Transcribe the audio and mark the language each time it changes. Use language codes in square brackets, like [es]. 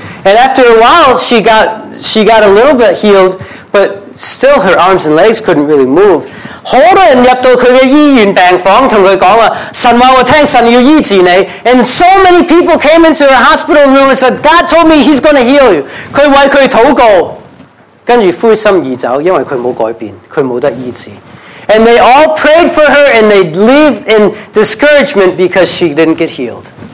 [en] And after a while, she got a little bit healed, but still her arms and legs couldn't really move. [zh] 很多人入到她的医院病房跟她说，神话我听，神要医治你。 [en] And so many people came into her hospital room and said, God told me he's going to heal you. [zh] 她为她祷告，跟着灰心而走，因为她没有改变，她没得医治。 [en] And they all prayed for her and they'd leave in discouragement because she didn't get healed.